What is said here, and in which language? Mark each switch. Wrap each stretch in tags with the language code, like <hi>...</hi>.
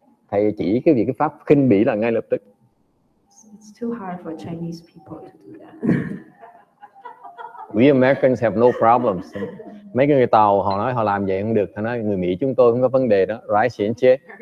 <vi>Thầy chỉ cái việc cái pháp khinh bỉ là ngay lập tức.</vi> <en>It's too hard for Chinese people to do that. We Americans have no problems.</en> <vi>Mấy cái người Tàu họ nói họ làm vậy không được. Họ nói người Mỹ chúng tôi không có vấn đề đó.</vi> <en>Right,</en> <vi>xin chế.</vi>